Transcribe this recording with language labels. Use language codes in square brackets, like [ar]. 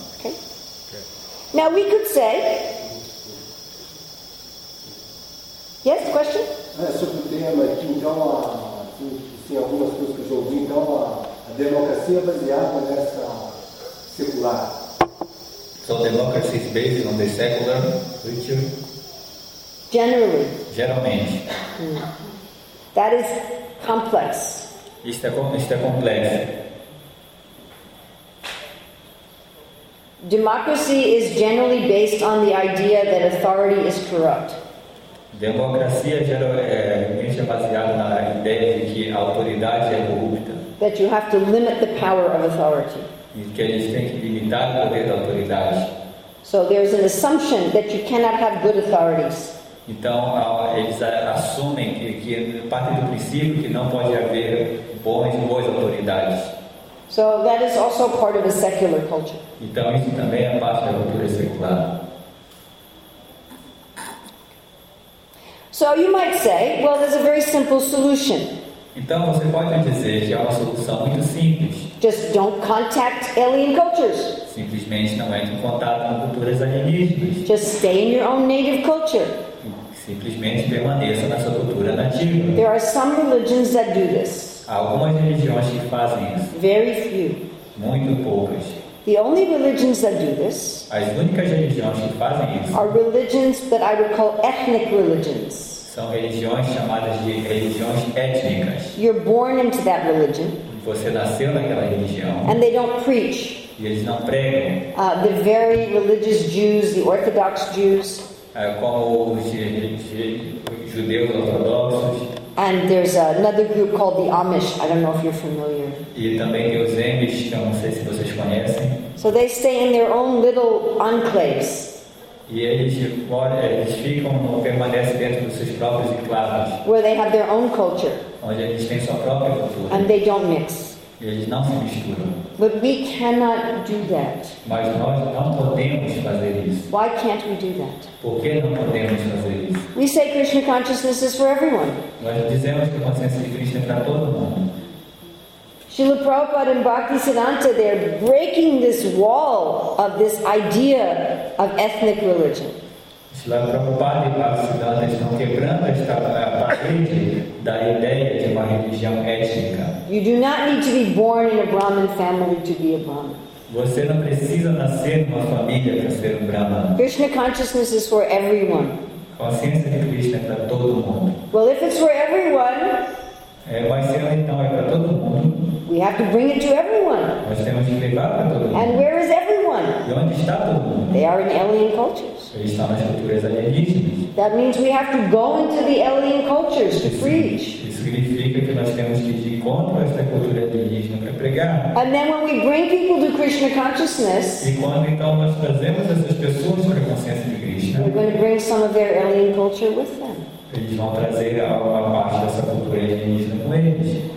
[en] Okay. Now we could say. Yes, question? [pt] Sobre o tema, tem algumas coisas que eu já ouvi, então a democracia é baseada nessa secular. [en] So democracy is based on the secular culture? Generally. [pt] Geralmente. [en] That is complex. [pt] Isto é complexo. [en] Democracy is generally based on the idea that authority is corrupt. [pt] Democracia geralmente é baseada na ideia de que a autoridade é corrupta. [en] That you have to limit the power of authority. [pt] E que eles têm que limitar o poder da autoridade. [en] So there is an assumption that you cannot have good authorities. [pt] Então eles assumem que parte do princípio que não pode haver boas autoridades. [en] So that is also part of a secular culture. [pt] Então isso também é parte da cultura secular. [en] So you might say, well, there's a very simple solution. [pt] Então você pode dizer que há uma solução muito simples. [en] Just don't contact alien cultures. [pt] Simplesmente não entre em contato com culturas alienígenas. [en] Just stay in your own native culture. [pt] Simplesmente permaneça na sua cultura nativa. [en] There are some religions that do this. [pt] Há algumas religiões que fazem isso. [en] Very few. [pt] Muito poucas. [en] The only religions that do this [pt] as únicas religiões que fazem isso [en] are religions that I would call ethnic religions. [pt] São religiões chamadas de religiões étnicas. [en] You're born into that religion. [pt] Você nasceu naquela religião. [en] And they don't preach. [pt] E eles não pregam. [en] The very religious Jews, the Orthodox Jews. [pt] Como os judeus ortodoxos. [en] And there's another group called the Amish. I don't know if you're familiar. [pt] E também tem os Amish, que eu não sei se vocês conhecem. [en] So they stay in their own little enclaves. [pt] E eles ficam, permanecem dentro dos seus próprios enclaves. [en] Where they have their own culture. [pt] Onde eles têm sua própria cultura. [en] And they don't mix. [pt] E eles não se misturam. [en] But we cannot do that. [pt] Mas nós não podemos fazer isso. [en] Why can't we do that? [pt] Por que não podemos fazer isso? [en] We say Krishna consciousness is for everyone. [pt] Nós dizemos que a consciência de Krishna é para todo mundo. [en] Srila Prabhupada and Bhaktisiddhanta, they're breaking this wall of this idea of ethnic religion. [pt] Srila Prabhupada e Bhaktisiddhanta estão quebrando esta parede da ideia de uma religião étnica. [en] You do not need to be born in a Brahmin family to be a Brahmin. [pt] Você não precisa nascer numa família para ser Brahmin. [en] Krishna consciousness is for everyone. [pt] Consciência de Krishna é para todo mundo. [en] Well, if it's for everyone, [pt] mas se ela então é para todo mundo, [en] we have to bring it to everyone. [pt] Nós temos que levar para todo mundo. [en] And where is everyone? [pt] E onde está todo mundo? [en] They are in alien cultures. [pt] Eles estão nas culturas alienígenas. [en] That means we have to go into the alien cultures to preach. [pt] Isso significa que nós temos que ir contra essa cultura indígena para pregar. [en] And then when we bring people to Krishna consciousness, [pt] e quando então nós trazemos essas pessoas para a consciência de Krishna, [en] we're going to bring some of their alien culture with them. [pt] Eles vão trazer alguma parte dessa cultura indígena com eles.